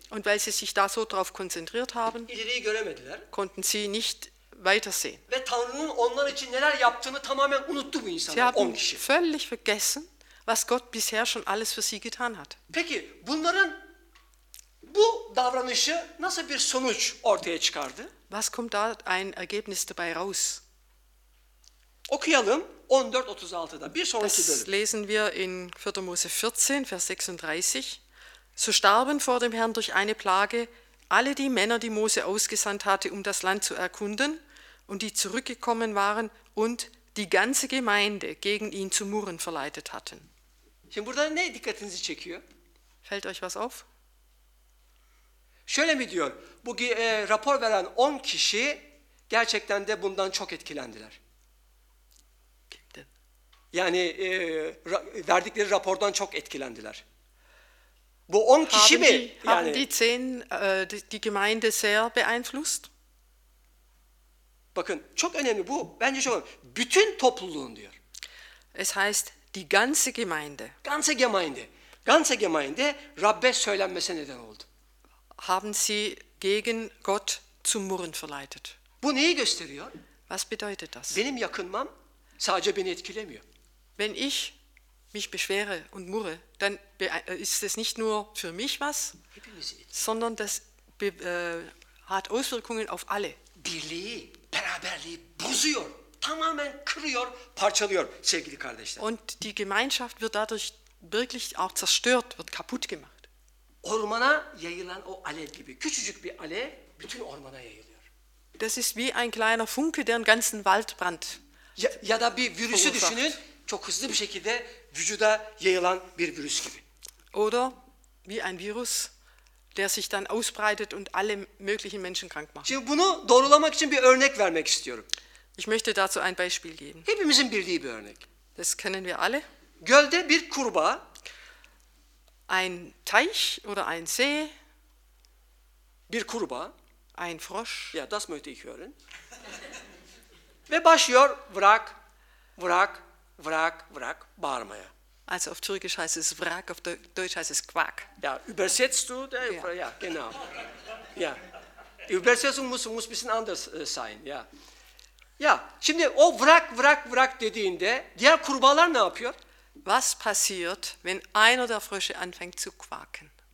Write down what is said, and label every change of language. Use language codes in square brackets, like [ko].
[de] Und weil sie sich da so drauf konzentriert haben, [tr] ileriyi göremediler. [de] Konnten sie nicht weitersehen. [tr] Ve Tanrı'nın onlar için neler yaptığını tamamen unuttu bu insanlar. [de] Sie haben völlig vergessen, was Gott bisher schon alles für sie getan hat. [tr] Peki, bunların bu davranışı nasıl bir sonuç ortaya çıkardı? [de] Was kommt da ein Ergebnis dabei raus? [tr] Okuyalım 14:36'da. Bir sonraki [de] bölüm. Das lesen wir in 4. Mose 14, Vers 36. So starben vor dem Herrn durch eine Plage alle die Männer, die Mose ausgesandt hatte, um das Land zu erkunden, und die zurückgekommen waren und die ganze Gemeinde gegen ihn zu murren verleitet hatten. [tr] Şimdi burada ne dikkatinizi çekiyor? [de] Fällt euch was auf? [tr] Şöyle mi diyor? Bu rapor veren 10 kişi gerçekten de bundan çok etkilendiler. Kimdi? Yani verdikleri rapordan çok etkilendiler. Bu 10 kişi [de] haben [tr] mi? [de] Die, yani, haben die 10 die Gemeinde sehr beeinflusst? [tr] Bakın çok önemli bu. Bence çok önemli. Bütün topluluğun diyor. [de] Es heißt die ganze Gemeinde. Ganze Gemeinde. Ganze Gemeinde [tr] Rabbe söylenmese neden oldu. [de] Haben sie gegen Gott zum Murren verleitet. [tr] Bu neyi gösteriyor? [de] Was bedeutet das? [tr] Benim yakınmam sadece beni etkilemiyor. [de] Wenn ich mich beschwere und murre, dann ist es nicht nur für mich was, sondern das hat Auswirkungen auf alle. [tr] Birliği, beraberliği bozuyor, tamamen kırıyor, parçalıyor sevgili kardeşler. [de] Und die Gemeinschaft wird dadurch wirklich auch zerstört, wird kaputt gemacht. [tr] Ormana yayılan o alev gibi, küçücük bir alev bütün ormana yayılıyor. [de] Das ist wie ein kleiner Funke, der einen ganzen Waldbrand [tr] ya da bir virüsü olursak. Düşünün, çok hızlı bir şekilde vücuda yayılan bir virüs gibi. [de] Oder wie ein Virus, der sich dann ausbreitet und alle möglichen Menschen krank macht. [tr] Şimdi bunu doğrulamak için bir örnek vermek istiyorum. [de] Ich möchte dazu ein Beispiel geben. [tr] Hepimizin bildiği bir örnek. [de] Das kennen wir alle. [tr] Gölde bir kurbağa. [de] Ein Teich oder ein See. [tr] Bir kurbağa. [de] Ein Frosch. Ja, das möchte ich hören. [tr] Ve başlıyor vrak, vrak, vrak, vrak bağırmaya. [de] Also auf Türkisch heißt es Wrack, auf Deutsch heißt es Quack. Ja, übersetzt du? Ja, genau. Ja. Die Übersetzung muss ein bisschen anders sein, ja. [tr] Ja, şimdi o vrak dediğinde diğer kurbağalar ne yapıyor? [de] Was passiert, wenn einer der Frösche anfängt zu quaken?